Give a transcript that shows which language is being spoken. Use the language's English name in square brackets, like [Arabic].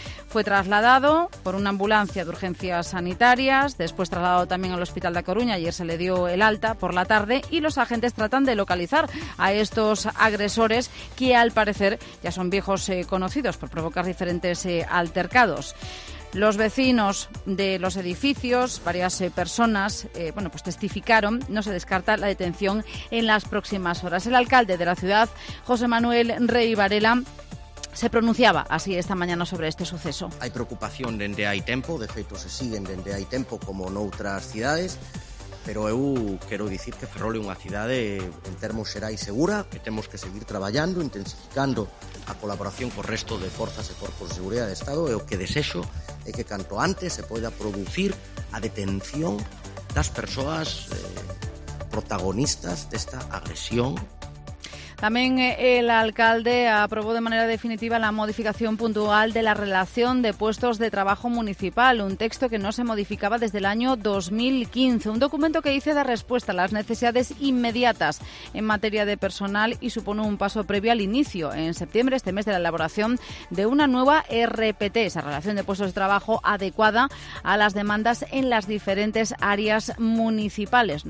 [Spanish] Fue trasladado por una ambulancia de urgencias sanitarias, después trasladado también al Hospital de Coruña, ayer se le dio el alta por la tarde, y los agentes tratan de localizar a estos agresores que al parecer ya son viejos conocidos por provocar diferentes altercados. Los vecinos de los edificios, varias personas, testificaron, no se descarta la detención en las próximas horas. El alcalde de la ciudad, José Manuel Rey Varela, se pronunciaba así esta mañana sobre este suceso. Hay preocupación [Galician] dende hai tempo, de feito se siguen dende hai tempo como noutras cidades, pero eu quero dicir que Ferrol é unha cidade en termos xerais segura, que temos que seguir traballando, intensificando a colaboración co resto de forzas e corpos de seguridade de Estado, e o que desexo é que canto antes se poida producir a detención das persoas protagonistas desta agresión. [Spanish] También el alcalde aprobó de manera definitiva la modificación puntual de la relación de puestos de trabajo municipal, un texto que no se modificaba desde el año 2015, un documento que dice dar respuesta a las necesidades inmediatas en materia de personal y supone un paso previo al inicio, en septiembre, este mes, de la elaboración de una nueva RPT, esa relación de puestos de trabajo adecuada a las demandas en las diferentes áreas municipales.